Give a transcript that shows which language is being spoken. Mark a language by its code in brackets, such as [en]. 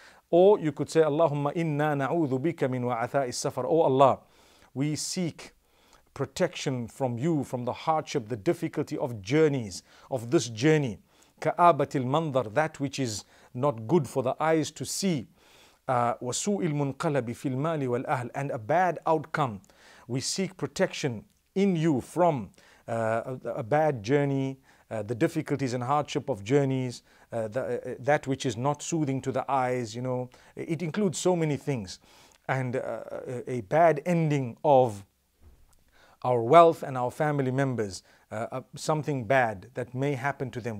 [en] Or you could say, Allahumma inna na'udhu bika min wa'atha'is safar. Oh Allah, we seek protection from You, from the hardship, the difficulty of journeys, of this journey. Ka'abatil mandar, that which is not good for the eyes to see. [ar] وَسُوءِ الْمُنْقَلَبِ فِي الْمَالِ وَالْأَهْلِ [en] and a bad outcome. We seek protection in you from a bad journey, the difficulties and hardship of journeys, that which is not soothing to the eyes, you know. It includes so many things. And a bad ending of our wealth and our family members, something bad that may happen to them.